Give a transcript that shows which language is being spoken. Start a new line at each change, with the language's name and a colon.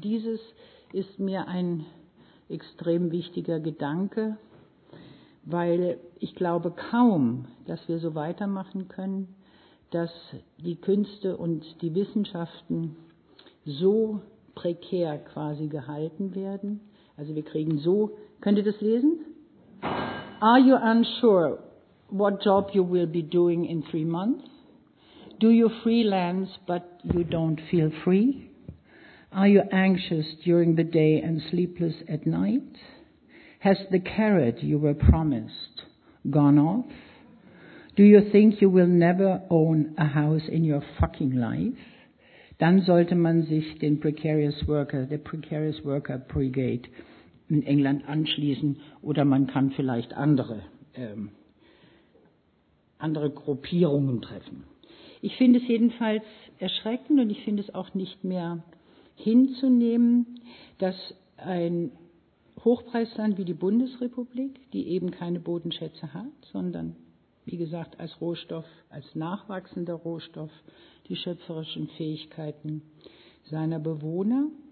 German: Dieses ist mir ein extrem wichtiger Gedanke, weil ich glaube kaum, dass wir so weitermachen können, dass die Künste und die Wissenschaften so prekär quasi gehalten werden. Also wir kriegen so, könnt ihr das lesen?
English: Are you unsure what job you will be doing in 3 months? Do you freelance but you don't feel free? Are you anxious during the day and sleepless at night? Has the carrot you were promised gone off? Do you think you will never own a house in your fucking life?
German: Dann sollte man sich den Precarious Worker, der Precarious Worker Brigade in England anschließen, oder man kann vielleicht andere Gruppierungen treffen. Ich finde es jedenfalls erschreckend und ich finde es auch nicht mehr hinzunehmen, dass ein Hochpreisland wie die Bundesrepublik, die eben keine Bodenschätze hat, sondern wie gesagt als Rohstoff, als nachwachsender Rohstoff, die schöpferischen Fähigkeiten seiner Bewohner,